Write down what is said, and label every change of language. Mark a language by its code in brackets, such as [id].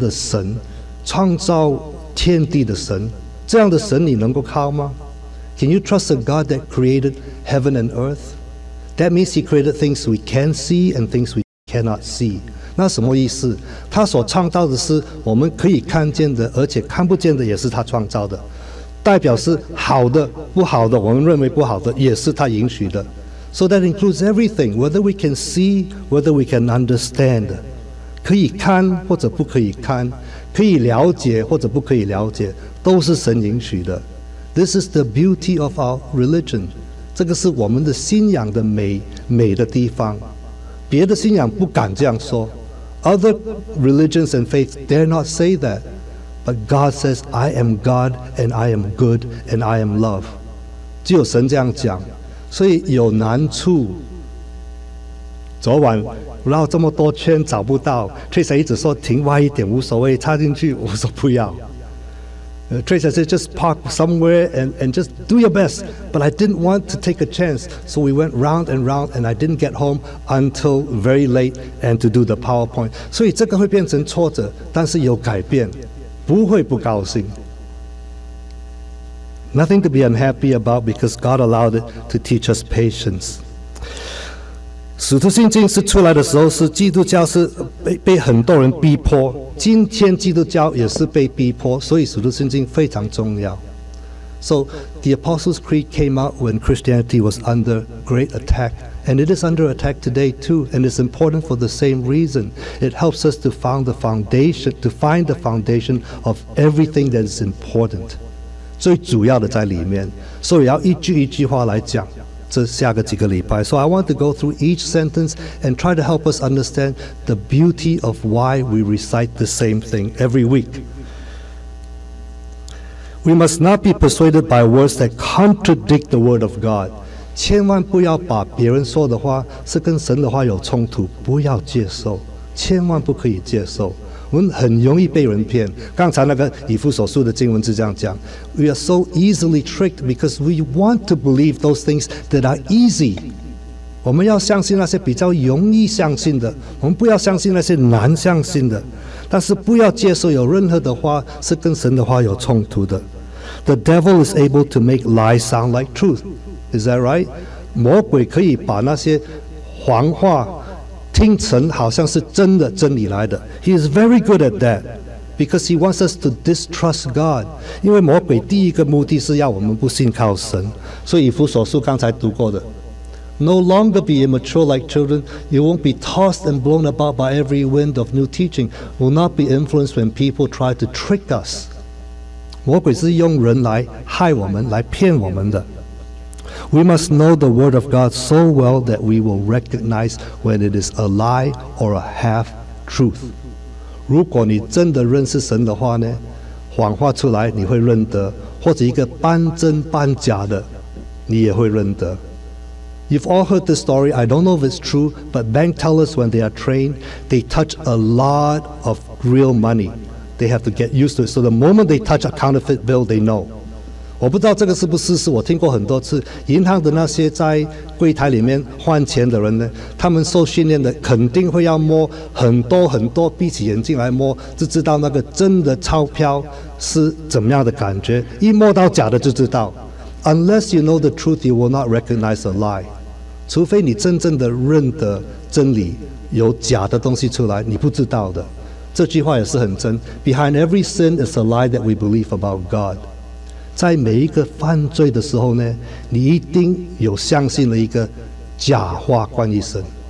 [zh] 那神是好的，神说他是全能的神，创造天地的神。这样的神你能够靠吗？ [en] Can you trust a God that created heaven and earth? That means he created things we can see and things we cannot see. [zh] 那什么意思？他所创造的是我们可以看见的，而且看不见的也是他创造的。代表是好的、不好的，我们认为不好的，也是他允许的。 [en] So that includes everything, whether we can see, whether we can understand. [zh] 可以看或者不可以看，可以了解或者不可以了解。都是神允许的。 [en] This is the beauty of our religion. [zh] 这个是我们的信仰的美的地方。别的信仰不敢这样说。 [en] Other religions and faiths dare not say that. But God says, I am God, and I am good, and I am love. [zh] 只有神这样讲，所以有难处。昨晚绕这么多圈找不到 ，Tracer 一直说停歪一点无所谓，插进去我说不要。 [en] Tracer said, just park somewhere and just do your best. But I didn't want to take a chance, so we went round and round, and I didn't get home until very late and to do the PowerPoint. [zh] 所以这个会变成挫折，但是有改变，不会不高兴。 [en] Nothing to be unhappy about because God allowed it to teach us patience. [zh] 使徒信经是出来的时候是基督教是 被很多人逼迫，今天基督教也是被逼迫，所以使徒信经非常重要。 [en] So the Apostles Creed came out when Christianity was under great attack, and it is under attack today too, and it's important for the same reason. It helps us to find the foundation of everything that is important, [zh] 最主要的在里面。所以要一句一句话来讲这下个几个礼拜。 [en] So I want to go through each sentence and try to help us understand the beauty of why we recite the same thing every week. We must not be persuaded by words that contradict the word of God. [zh] 千万不要把别人说的话是跟神的话有冲突，不要接受，千万不可以接受。我们很容易被人骗，刚才那个以弗所书的经文是这样讲， [en] We are so easily tricked because we want to believe those things that are easy. [zh] 我们要相信那些比较容易相信的，我们不要相信那些难相信的，但是不要接受有任何的话是跟神的话有冲突的。 [en] The devil is able to make lies sound like truth. Is that right? [zh] 魔鬼可以把那些谎话听成好像是真的真理来的。 [en] He is very good at that because he wants us to distrust God. [zh] 因为魔鬼第一个目的是要我们不信靠神。所以以弗所书刚才读过的， [en] No longer be immature like children. You won't be tossed and blown about by every wind of new teaching. Will not be influenced when people try to trick us. [zh] 魔鬼是用人来害我们，来骗我们的。 [en] We must know the word of God so well that we will recognize when it is a lie or a half-truth. [zh] 如果你真的认识神的话呢，谎话出来你会认得，或者一个半真半假的你也会认得。 [en] You've all heard the story, I don't know if it's true, but bank tellers when they are trained, they touch a lot of real money. They have to get used to it. So the moment they touch a counterfeit bill, they know. [zh] 我不知道这个是不是事实，我听过很多次，银行的那些在柜台里面换钱的人呢，他们受训练的肯定会要摸很多很多，闭起眼睛来摸，就知道那个真的钞票是怎么样的感觉，一摸到假的就知道。 [en] Unless you know the truth, you will not recognize a lie. [zh] 除非你真正的认得真理，有假的东西出来你不知道的。这句话也是很真， [en] Behind every sin is a lie that we believe about God. [zh] 在每一个犯罪的时候呢，你一定有相信了一个假话关于神。